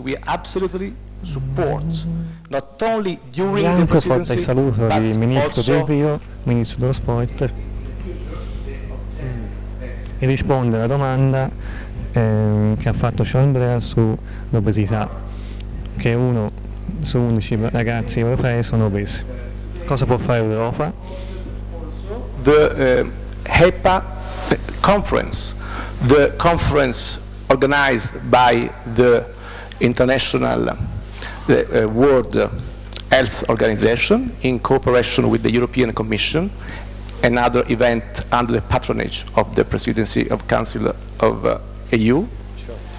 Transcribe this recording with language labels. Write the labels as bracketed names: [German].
[English] We absolutely support not only during the presidency, but [Italian] ministro [English] also [Italian] Del Rio, ministro dello sport, e risponde alla domanda che ha fatto Sean Blair sull'obesità, che uno su 11 ragazzi europei sono obesi. Cosa può fare l'Europa? [English] The HEPA conference, the conference organized by the international World Health Organization in cooperation with the European Commission, another event under the patronage of the Presidency of Council of EU. Sure.